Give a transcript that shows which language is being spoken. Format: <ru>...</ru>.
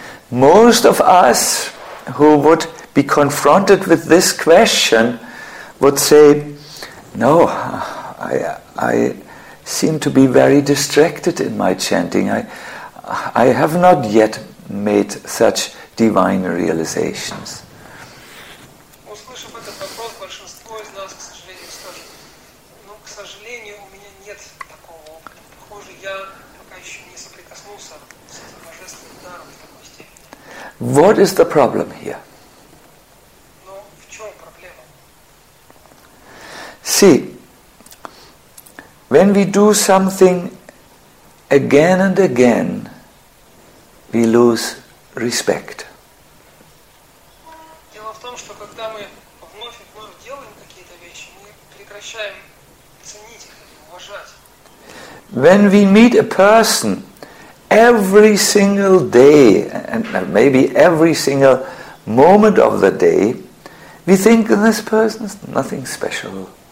<en>Most of us who would be confronted with this question would say, no, I seem to be very distracted in my chanting. I have not yet made such divine realizations.</en> <ru>Услышав этот вопрос, большинство использовалась, к сожалению, тоже. Но, к сожалению, у меня нет такого опыта. Похоже, я пока еще не соприкоснулся с этим божественным даром в такой степени.</ru> <en>What is the problem here?</en> <ru>Но в чем проблема?</ru> <en>See, when we do something again and again, we lose respect.</en> <ru>Дело в том, что когда мы вновь и вновь делаем какие-то вещи, мы прекращаем ценить их, уважать.</ru> <en>When we meet a person every single day, and maybe every single moment of the day, we think this person is nothing special.</en>